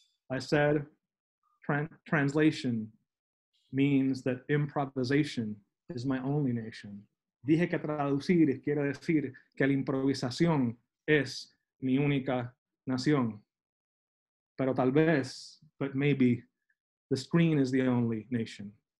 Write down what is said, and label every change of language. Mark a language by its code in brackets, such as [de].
[en] I said translation means that improvisation is my only nation. [es] Dije que traducir quiere decir que la improvisación es mi única nación. Pero tal vez, [en] but maybe, the screen is the only nation.